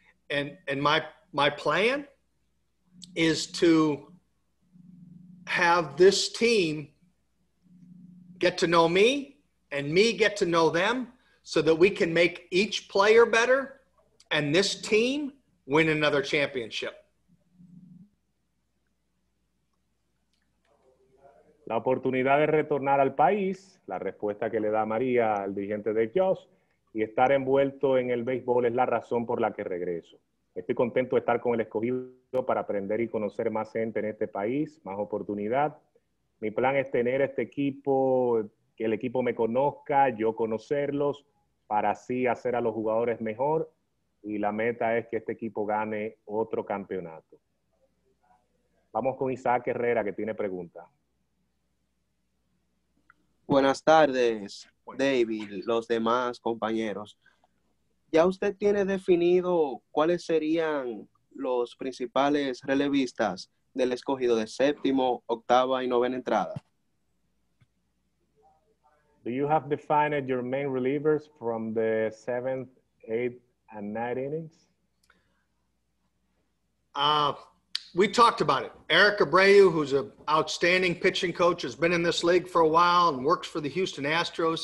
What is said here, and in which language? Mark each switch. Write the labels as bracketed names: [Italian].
[English] And my plan is to have this team get to know me and me get to know them so that we can make each player better and this team win another championship. [Spanish] La oportunidad de retornar al país, la respuesta que le da María al dirigente de Josh, y estar envuelto en el béisbol es la razón por la que regreso. Estoy contento de estar con el Escogido para aprender y conocer más gente en este país, más oportunidad. Mi plan es tener este equipo, que el equipo me conozca, yo conocerlos, para así hacer a los jugadores mejor. Y la meta es que este equipo gane otro campeonato. Vamos con Isaac Herrera, que tiene pregunta. Buenas tardes, David, los demás compañeros. ¿Ya usted tiene definido cuáles serían los principales relevistas del Escogido de séptimo, octava y novena entrada? [English] Do you have defined your main relievers from the seventh, eighth, and ninth innings? We talked about it. Eric Abreu, who's an outstanding pitching coach, has been in this league for a while and works for the Houston Astros.